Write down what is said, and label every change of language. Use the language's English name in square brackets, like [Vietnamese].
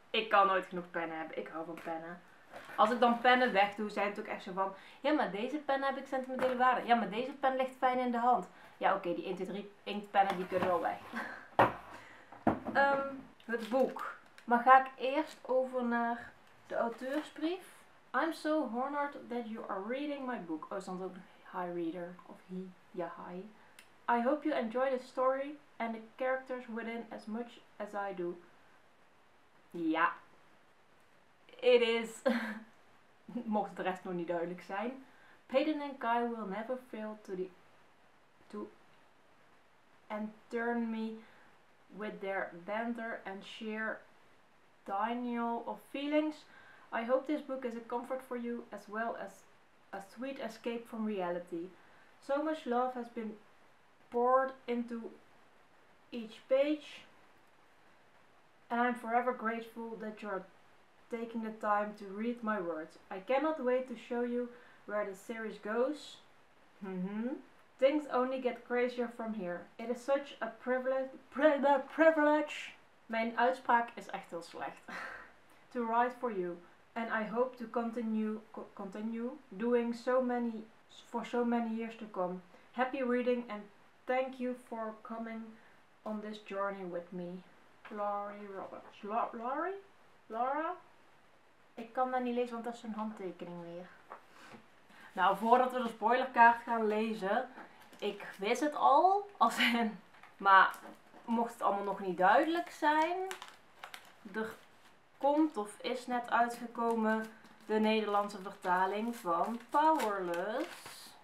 [Dutch] Ik kan nooit genoeg pennen hebben. Ik hou van pennen. Als ik dan pennen weg doe, zijn het ook echt zo van... Ja, maar deze pen heb ik sentimentele waarde. Ja, maar deze pen ligt fijn in de hand. Ja, oké, die 1, 2, 3 inktpennen die kunnen wel weg. Het boek. Maar ga ik eerst over naar de auteursbrief. [English] I'm so honored that you are reading my book. [Dutch] Oh, stond ook hi reader. Of he. Ja, hi. [English] I hope you enjoy the story and the characters within as much as I do. Ja. It is. [Dutch] Mocht het de rest nog niet duidelijk zijn. [English] Peyton and Kai will never fail to enthrall me with their banter and sheer denial of feelings. I hope this book is a comfort for you as well as a sweet escape from reality. So much love has been poured into each page. And I'm forever grateful that you're taking the time to read my words. I cannot wait to show you where the series goes. Things only get crazier from here. It is such a privilege. [Dutch] Mijn uitspraak is echt heel slecht. [English] To write for you. And I hope to continue doing so many for so many years to come. Happy reading and thank you for coming on this journey with me. Laurie Roberts. Laurie? Laura? [Dutch] Ik kan dat niet lezen, want dat is een handtekening weer. Nou, voordat we de spoilerkaart gaan lezen. Ik wist het al. Als in, maar mocht het allemaal nog niet duidelijk zijn. Er komt of is net uitgekomen de Nederlandse vertaling van Powerless.